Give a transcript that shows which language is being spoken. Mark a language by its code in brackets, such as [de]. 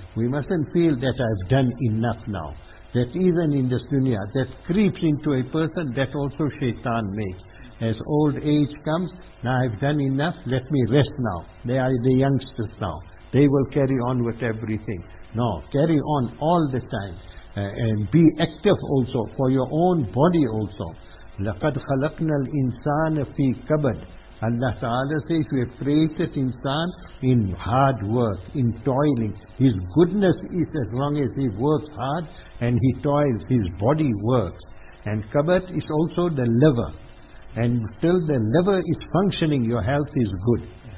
[en] We mustn't feel that I've done enough now. That even in this dunya, that creeps into a person, that also shaitan makes. As old age comes, now I've done enough, let me rest now. They are the youngsters now. They will carry on with everything. No, carry on all the time. And be active also, for your own body also. [ar] لقد خلقنا الانسان في كبد. [en] Allah Ta'ala says, we have created insan in hard work, in toiling. His goodness is as long as he works hard and he toils, his body works. And kabat is also the liver. And till the liver is functioning, your health is good.